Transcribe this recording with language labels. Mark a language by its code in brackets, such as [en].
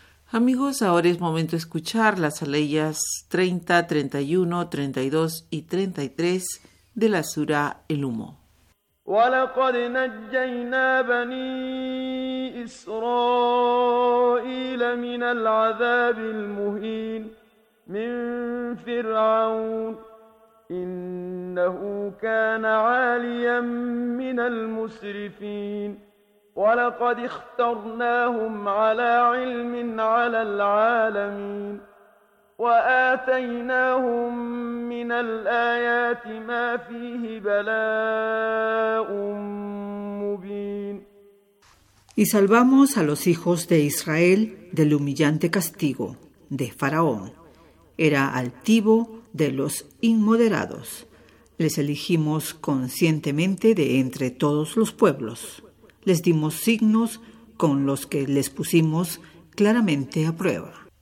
[es] Amigos, ahora es momento de escuchar las aleyas 30, 31, 32 y 33 de la sura El Humo. [ar] وَلَقَدْ نَجَّيْنَا بَنِي إِسْرَائِيلَ مِنَ الْعَذَابِ الْمُهِينِ مِنْ فِرْعَوْنَ إِنَّهُ كَانَ عَالِيًا مِنَ الْمُسْرِفِينَ ولقد اخترناهم على علم على العالمين وآتيناهم من الآيات ما فيه بلاء مبين. [es] Y salvamos a los hijos de Israel del humillante castigo de Faraón. Era altivo de los inmoderados. Les elegimos conscientemente de entre todos los pueblos. Les dimos signos con los que les pusimos claramente a prueba.